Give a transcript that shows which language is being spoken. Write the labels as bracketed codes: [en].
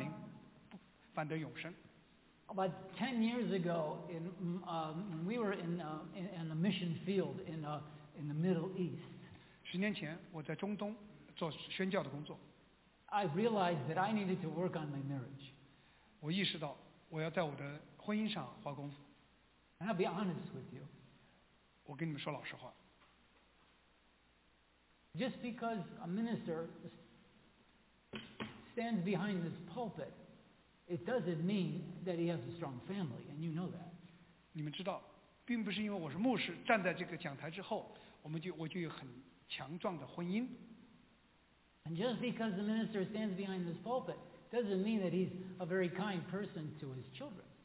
[zh] 他不仅爱着儿子，他更是爱世人，所以他把他独生爱子给了我们，让我们这一切，一切这世上的人，因为信他的名，反得永生。 [en] About 10 years ago, when we were in the mission field in the Middle East. [zh] 10年前，我在中东做宣教的工作。 [en] I realized that I needed to work on my marriage. [zh] 我意识到我要在我的婚姻上花功夫。 [en] And I'll be honest with you. [zh] 我跟你们说老实话。 [en] Just because a minister stands behind this pulpit, it doesn't mean that he has a strong family, and you know that. [zh] 你们知道，并不是因为我是牧师站在这个讲台之后，我就有很强壮的婚姻。 [en] And just because a minister stands behind this pulpit doesn't mean that he's a very kind person to his children.